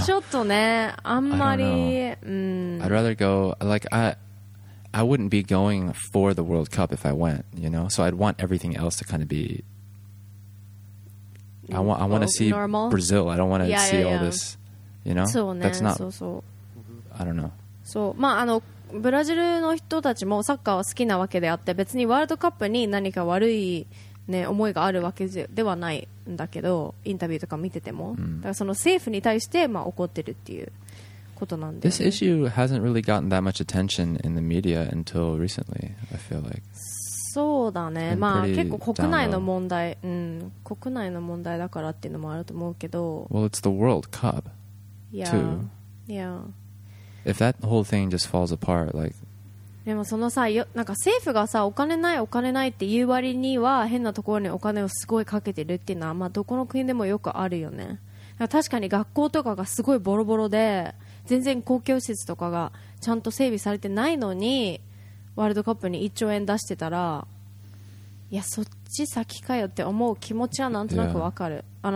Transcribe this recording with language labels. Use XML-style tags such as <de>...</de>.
<ja>ちょっとね、あんまり、</ja> <en>I'd rather go, like, I wouldn't be going for the World Cup if I went, you know? So I'd want everything else to kind of be, I want to see normal? Brazil. I don't want to all this, you know?</en> <ja>そうね、</ja> <en>That's not,</en> <ja>そうそう。</ja> <en>I don't know.</en> <ja>そう、まあ、ブラジルの人たちもサッカーは好きなわけであって、別にワールドカップに何か悪いね、思いがあるわけではないんだけど、インタビューとか見てても、だからその政府に対して、まあ、怒ってるっていうことなんで、</ja> <en>ね、This issue hasn't really gotten that much attention in the media until recently, I feel like.</en> <ja>そうだね、まあ結構国内の問題、国内の問題だからっていうのもあると思うけど、</ja> <en>Well, it's the World Cup, yeah. too. Yeah. If that whole thing just falls apart, like,</en> <ja>でもそのさ、なんか政府がさ、お金ないお金ないって言う割には変なところにお金をすごいかけてるっていうのは、まあ、どこの国でもよくあるよね。だから確かに学校とかがすごいボロボロで全然公共施設とかがちゃんと整備されてないのにワールドカップに1兆円出してたら、いやそっち先かよって思う気持ちはなんとなくわかる、yeah.</ja>